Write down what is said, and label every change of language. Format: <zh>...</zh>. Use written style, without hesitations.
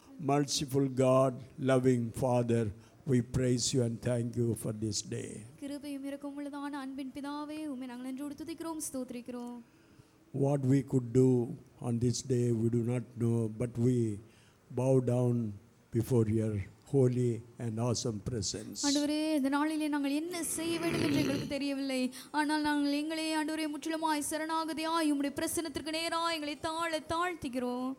<en>Multiple God, loving Father, we praise you and thank you for this day.</en> <ta>கிருபையும் இருக்கும் உள்ளதான அன்பின் பிதாவே, உம்மை நாங்கள் நன்றோடு துதிக்கிறோம் ஸ்தோத்திரிக்கிறோம்.</ta> <en>What we could do on this day we do not know, but we bow down before your holy and awesome presence.</en> <ta>ஆண்டவரே, இந்த நாளிலே நாங்கள் என்ன செய்ய வேண்டும் என்று எங்களுக்கு தெரியவில்லை, ஆனால் நாங்கள் எங்களே ஆண்டவரே முற்றிலுமாய் சரணாகதியாய் உம்முடைய பிரசன்னத்திற்கு நேராய் எங்களை தாழ்த்துகிறோம்.</ta>